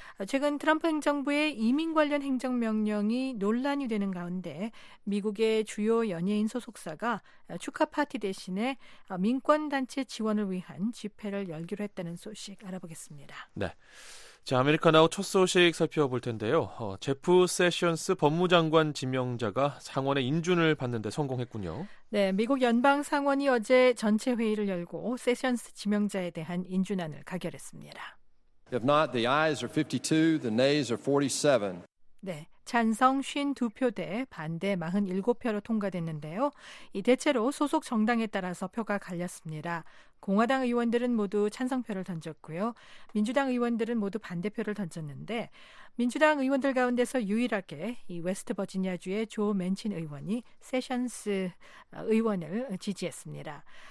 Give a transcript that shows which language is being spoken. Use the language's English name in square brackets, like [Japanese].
[Korean] 최근 트럼프 행정부의 이민 관련 행정명령이 논란이 되는 가운데 미국의 주요 연예인 소속사가 축하 파티 대신에 민권단체 지원을 위한 집회를 열기로 했다는 소식 알아보겠습니다. 네. 자, 아메리카나우 첫 소식 살펴볼 텐데요. 제프 세션스 법무장관 지명자가 상원의 인준을 받는데 성공했군요. 네, 미국 연방 상원이 어제 전체 회의를 열고 세션스 지명자에 대한 인준안을 가결했습니다. [English] If not, the ayes are 52, the nays are 47. [Korean] 네, 찬성 52표 대 반대 47표로 통과됐는데요. 이 대체로 소속 정당에 따라서 표가 갈렸습니다. 공화당 의원들은 모두 찬성표를 던졌고요. 민주당 의원들은 모두 반대표를 던졌는데 민주당 의원들 가운데서 유일하게 이 웨스트버지니아주의 조 맨친 의원이 세션스 의원을 지지했습니다.